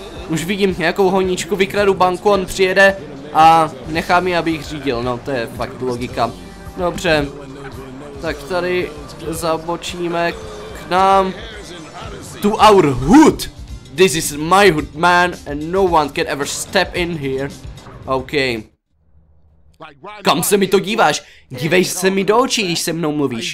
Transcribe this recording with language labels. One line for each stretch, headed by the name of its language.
Czech: Už vidím nějakou honíčku, vykradu banku, on přijede a nechá mi, abych řídil, no to je fakt logika. Dobře, tak tady zabočíme k nám.
English: To our hood! This is my hood, man, and no one can ever step in here.
Czech: OK. Kam se mi to díváš? Dívej se mi do očí, když se mnou mluvíš.